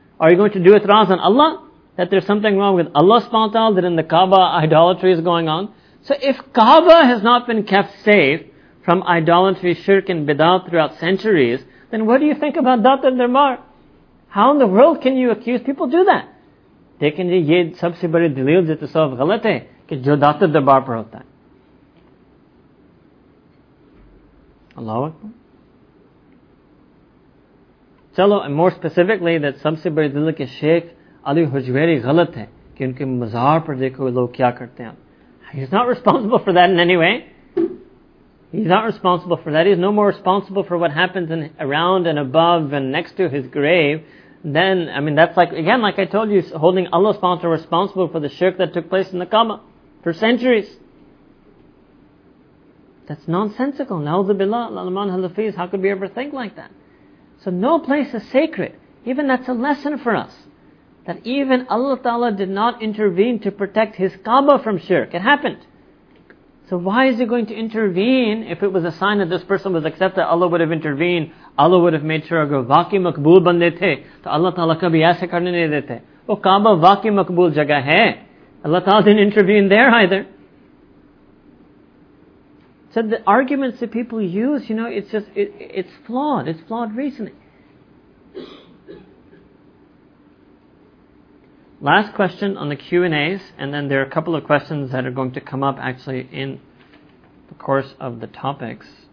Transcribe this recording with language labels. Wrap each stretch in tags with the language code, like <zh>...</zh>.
<en>Are you going to do itraz on Allah? That there's something wrong with Allah subhanahu wa ta'ala, that in the Kaaba idolatry is going on? So if Kaaba has not been kept safe from idolatry, shirk and bid'ah throughout centuries, then what do you think about Data Darbar? How in the world can you accuse people do that? They can</en> <ur>یہ سب سے بڑے دلیل جو سب غلط ہے کی جو داتا دربار پر ہوتا ہے۔ Allahu Akbar. چلو،</ur> <en>and more specifically, that</en> <ur>سب سے بڑے دلیل کے شیخ علی ہجویری غلط ہے کی انکے مزار پر دیکھو لوگ کیا کرتے ہیں۔</ur> <en>He's not responsible for that in any way. He's not responsible for that. He's no more responsible for what happens in, around and above and next to his grave. Then, I mean, that's like, again, like I told you, holding Allah subhanahu wa ta'ala responsible for the shirk that took place in the Kaaba for centuries. That's nonsensical. Na'udhu billah, la'laman halafiz, how could we ever think like that? So no place is sacred. Even that's a lesson for us. That even Allah ta'ala did not intervene to protect his Kaaba from shirk. It happened. So why is he going to intervene if it was a sign that this person was accepted? Allah would have intervened. Allah would have made sure</en> <ur>اگر واقعی مقبول بندے تھے تو اللہ تعالیٰ کبھی ایسے کرنے نہیں دیتے۔ وہ کعبہ واقعی مقبول جگہ ہے۔</ur> <en>Allah ta'ala didn't intervene there either. So the arguments that people use, you know, it's flawed. It's flawed reasoning. Last question on the Q&As, and then there are a couple of questions that are going to come up actually in the course of the topics.</en>